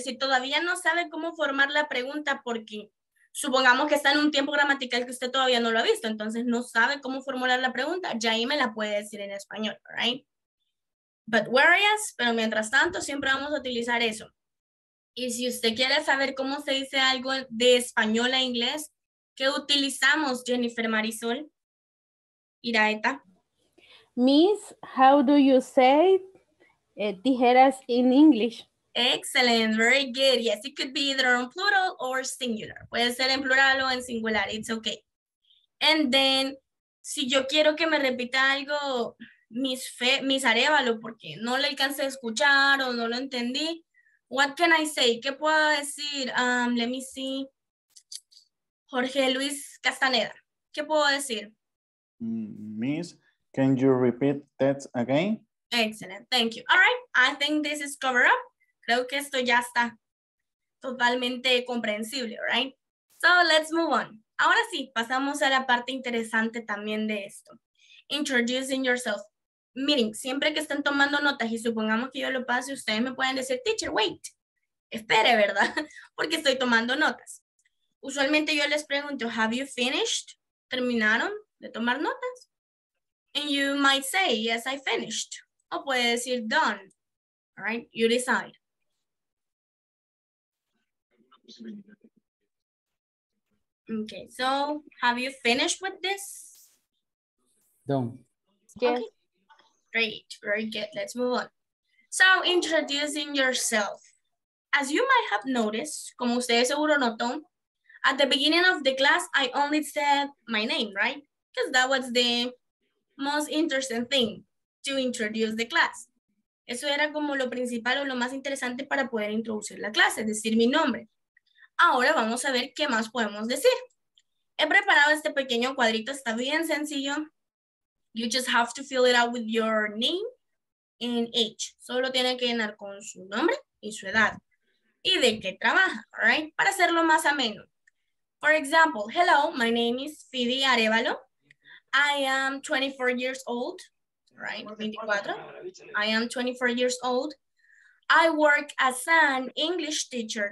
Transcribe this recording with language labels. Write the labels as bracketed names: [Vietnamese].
[Spanish] Si todavía no sabe cómo formar la pregunta, porque supongamos que está en un tiempo gramatical que usted todavía no lo ha visto, entonces no sabe cómo formular la pregunta, ya ahí me la puede decir en español. All right. [English] But whereas, [Spanish] pero mientras tanto, siempre vamos a utilizar eso. Y si usted quiere saber cómo se dice algo de español a inglés, ¿qué utilizamos, Jennifer Marisol? Iraeta. [English] Miss, how do you say tijeras in English? Excellent, very good. Yes, it could be either on plural or singular. [Spanish] Puede ser en plural o en singular, it's okay. And then, si yo quiero que me repita algo, Miss Arevalo, porque no le alcancé a escuchar o no lo entendí, [English] what can I say? [Spanish] ¿Qué puedo decir? [English] Let me see. [Spanish] Jorge Luis Castaneda. ¿Qué puedo decir? [English] Miss, can you repeat that again? Excellent, thank you. All right, I think this is cover up. [Spanish] Creo que esto ya está totalmente comprensible, all right? [English] So let's move on. [Spanish] Ahora sí, pasamos a la parte interesante también de esto. [English] Introducing yourself. [Spanish] Miren, siempre que estén tomando notas y supongamos que yo lo pase, ustedes me pueden decir, [English] teacher, wait, [Spanish] espere, ¿verdad? Porque estoy tomando notas. Usualmente yo les pregunto, [English] have you finished? [Spanish] ¿Terminaron de tomar notas? [English] And you might say, yes, I finished. [Spanish] O puede decir, done. [English] All right, you decide. Okay, so have you finished with this? Done. Yes. Okay. Great, very good. Let's move on. So introducing yourself. As you might have noticed, [Spanish] como ustedes seguro notó, [English] at the beginning of the class, I only said my name, right? Because that was the most interesting thing to introduce the class. [Spanish] Eso era como lo principal o lo más interesante para poder introducir la clase, decir mi nombre. Ahora vamos a ver qué más podemos decir. He preparado este pequeño cuadrito, está bien sencillo. [English] You just have to fill it out with your name and age. [Spanish] Solo tiene que llenar con su nombre y su edad. Y de qué trabaja, [English] all right? [Spanish] Para hacerlo más ameno. [English] For example, hello, my name is Fidi Arevalo. I am 24 years old, right? 24. I am 24 years old. I work as an English teacher.